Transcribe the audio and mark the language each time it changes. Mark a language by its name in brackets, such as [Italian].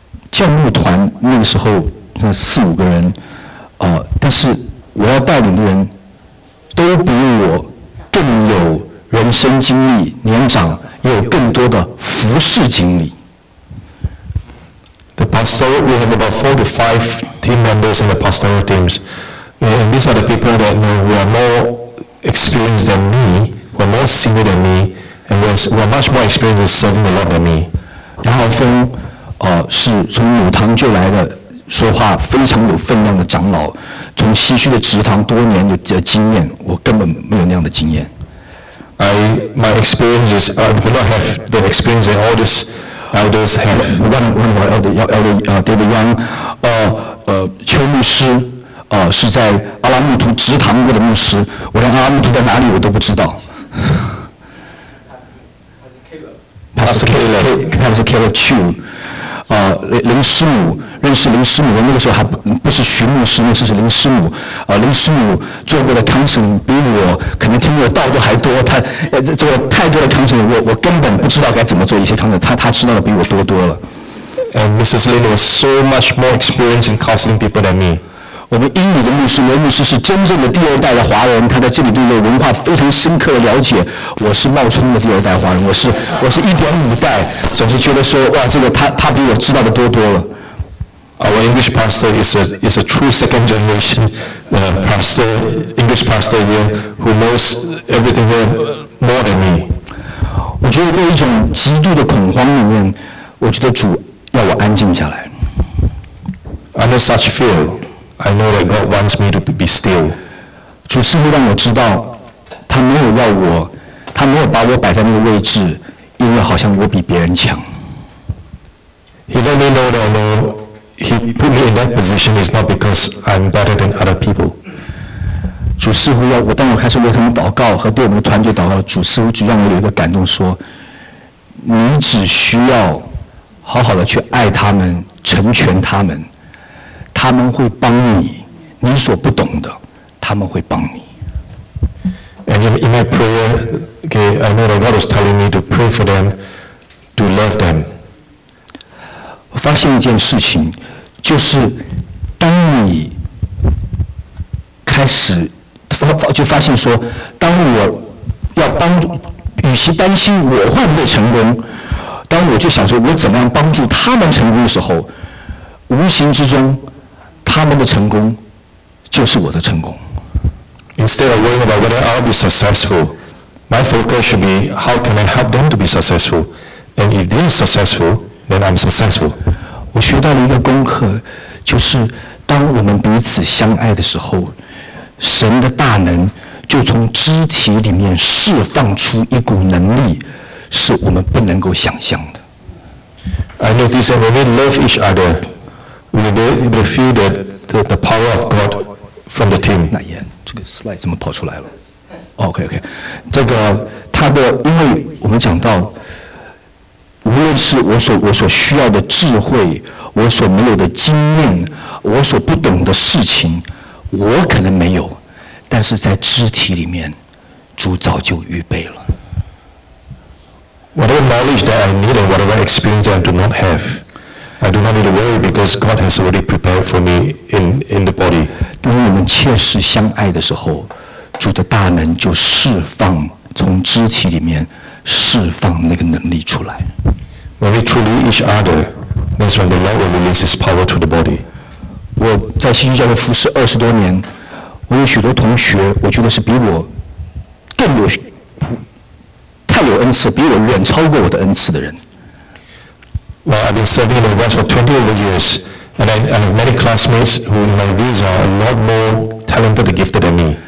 [Chinese] 建牧团那个时候那4-5个人，但是我要带领的人都比我更有人生经历，年长，有更多的服事经历。 [English] The pastor, we have about 4 to 5 team members in the pastoral teams. Yeah, and these are the people that who are more experienced than me, who are more senior than me, and who are much more experienced in serving the Lord than me. [Chinese] 杨浩峰，是从母堂就来的，说话非常有分量的长老，从西区的职堂多年的经验，我根本没有那样的经验。 [English] My experience is I do not have the experience that all these elders have. One of my elder, David Young, 邱牧师。 [Chinese] 是在阿拉木图直堂过的牧师，我连阿拉木图在哪里我都不知道。 [English] Pastor Caleb，Pastor [Chinese] Caleb Chu， 林师母，认识林师母的那个时候还不是徐牧师，那时候是林师母。林师母做过的 counseling 比我可能听过的道都还多，他做了太多的 counseling， 我根本不知道该怎么做一些 counseling， 他知道的比我多多了。 [English] And Mrs. Lin was so much more experienced in counseling people than me. [Chinese] 我们英语的牧师罗牧师是真正的第二代的华人，他在这里对文化非常深刻的了解。我是冒充的第二代华人，我是1.5代，总是觉得说哇，这个他比我知道的多多了。 [English] Our English pastor is a true second generation pastor, English pastor here who knows everything here more than me. [Chinese] 我觉得在一种极度的恐慌里面，我觉得主要我安静下来。 [English] Under such fear. I know that God wants me to be still. [Chinese] 主似乎让我知道，他没有要我，他没有把我摆在那个位置，因为好像我比别人强。 [English] He let me know that he put me in that position is not because I'm better than other people. [Chinese] 主似乎要我，当我开始为他们祷告和对我们的团队祷告，主似乎就让我有一个感动，说你只需要好好的去爱他们，成全他们，他们会帮你，你所不懂的，他们会帮你。 [English] And in my prayer, okay, I know that God was telling me to pray for them, to love them. [Chinese] 我发现一件事情，就是当你开始发现说，当我要帮助，与其担心我会不会成功，当我就想说我怎么样帮助他们成功的时候，无形之中，他们的成功就是我的成功。 [English] Instead of worrying about whether I'll be successful, my focus should be how can I help them to be successful, and if they're successful, then I'm successful. [Chinese] 我学到了一个功课，就是当我们彼此相爱的时候，神的大能就从肢体里面释放出一股能力，是我们不能够想象的。 [English] I notice that when we love each other, we feel that the power of God from the team. [Chinese] 那也，这个 slide 怎么跑出来了 ？OK OK， 这个他的，因为我们讲到，无论是我所需要的智慧，我所没有的经验，我所不懂的事情，我可能没有，但是在肢体里面，主早就预备了。 [English] Whatever knowledge that I need and whatever experience I do not have, I do not need to worry because God has already prepared for me in the body. [Chinese] 当我们切实相爱的时候，主的大能就释放，从肢体里面释放那个能力出来。 [English] When we truly each other, that's when the Lord will release His power to the body. [Chinese] 我在信心教会服侍二十多年，我有许多同学，我觉得是比我更有太有恩赐，比我远超过我的恩赐的人。 [English] Well, I've been serving the Lord for 20 over years, and I have many classmates who, in my views, are a lot more talented and gifted than me.